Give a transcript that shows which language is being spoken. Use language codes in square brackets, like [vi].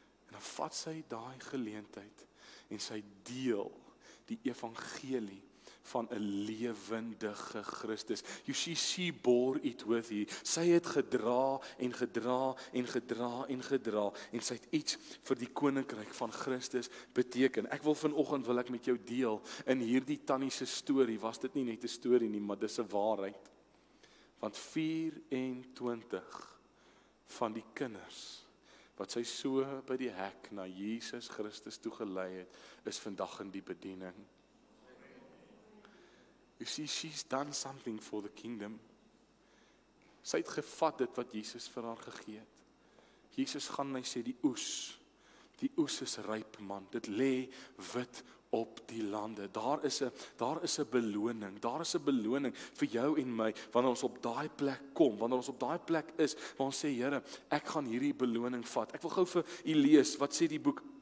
[af] En dan vat sy daai geleentheid, en sy deel die evangelie van een lewendige Christus. [en] You see, she bore it with you. [af] Sy het gedra en gedra en gedra en gedra, en sy het iets vir die koninkryk van Christus beteken. Ek wil vanochtend, wil ek met jou deel, in hierdie tannie's story, was dit nie net een story nie, maar dit is een waarheid. Want 24 van die kinders, wat sy so by die hek na Jesus Christus toegelei het, is vandag in die bediening. [en] You see, she's done something for the kingdom. [af] Sy het gevat dit wat Jesus vir haar gegee het. Jesus gaan, hy sê, die oes is ryp, man. Dit lê wit op die lande. Daar is 'n beloning vir jou en my, wanneer ons op daai plek kom, wanneer ons op daai plek is, waar ons sê, Here, ek gaan hierdie beloning vat. Ek wil gou vir u lees, wat sê die boek